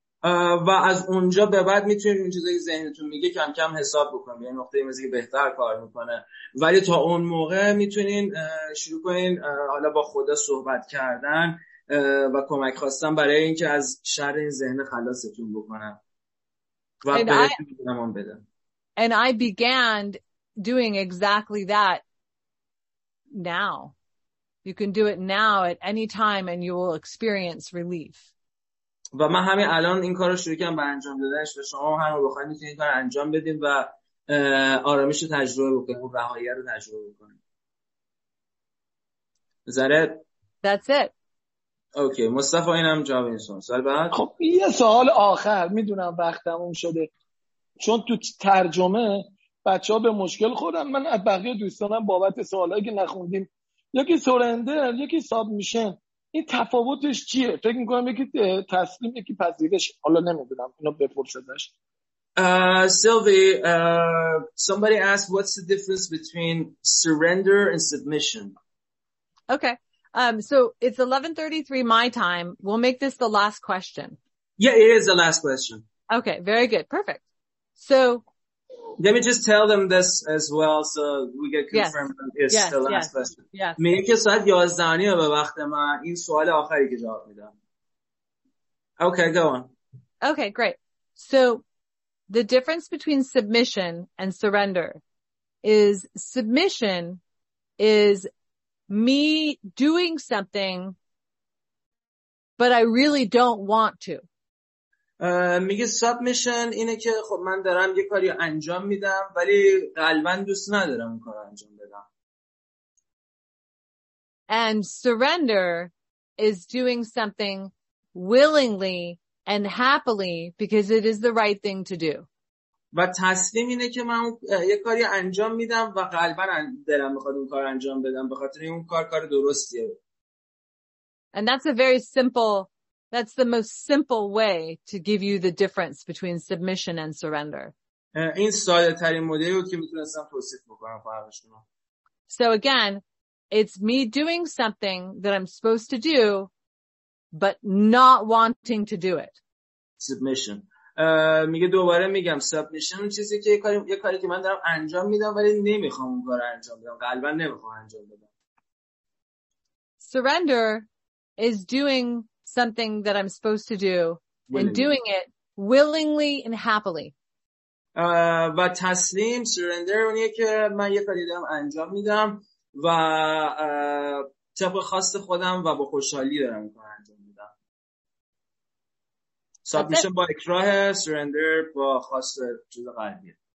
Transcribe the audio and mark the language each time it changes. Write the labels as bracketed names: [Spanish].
[Persian] و از اونجا به بعد میتونید این چیزایی ذهنتون میگه کم کم حساب بکنید، یعنی نقطه ایمیزی که بهتر کار میکنه، ولی تا اون موقع میتونین شروع کنین حالا با خدا صحبت کردن و کمک خواستن برای اینکه از شر این ذهن خلاصتون بکنه. [English] And I began doing exactly that now. You can do it now at any time and you will experience relief. [Persian] و من همین الان این کارو شروع کردم به انجام دادنش و شما هم بخواید میتونید این کارو انجام بدید و آرامش رو تجربه بکنید و رهایی رو تجربه بکنید. زرد؟ That's it. اوکی، مصطفی اینم جواب این سوال. سوال بعد؟ خب یه سوال آخر، میدونم وقت تموم شده. چون تو ترجمه بچه‌ها به مشکل خوردن، من از بقیه دوستانم بابت سوالایی که نخوندیم. یکی سورندر، یکی سابمیشن. این تفاوتش چیه؟ فکر میکنم یکی تسلیم یکی پذیرش. حالا نمیدونم اینو بپرسدش. [English] Somebody asked what's the difference between surrender and submission. Okay. So it's 11:33 my time. We'll make this the last question. Yeah, it is the last question. Okay, very good. Perfect. So let me just tell them this as well so we get confirmed. Yes. It's yes, the last yes, question. Yes. [Persian] میگه که ساعت 11 به وقت من این سوال آخری که جواب میدم. [English] Okay, go on. Okay, great. So the difference between submission and surrender is submission is me doing something but I really don't want to. [Persian] میگه submission اینه که خب من دارم یه کاری انجام میدم ولی قلبن دوست ندارم اون کار انجام بدم. [English] And surrender is doing something willingly and happily because it is the right thing to do. [Persian] و تسلیم اینه که من یه کاری انجام میدم و قلبن دلم میخواد اون کار انجام بدم به خاطر اون کار درستیه. [English] And that's a very simple, that's the most simple way to give you the difference between submission and surrender. [Persian] این ساده ترین مدلی بود که میتونستم توصیف بکنم برای شما. [English] So again, it's me doing something that I'm supposed to do but not wanting to do it. Submission. [Persian] میگه دوباره میگم submission چیزی که یه کاری که من دارم انجام میدم ولی نمیخوام اون کارو انجام بدم. قلبا نمیخوام انجام بدم. [English] Surrender is doing something that I'm supposed to do willingly. And doing it willingly and happily. [Persian] و تسلیم surrender اونیه که من یه کاری دارم انجام میدم و طبق خواست خودم و با خوشحالی دارم این کار انجام میدم. Submission با اکراه، surrender با خواست چیز قلبی.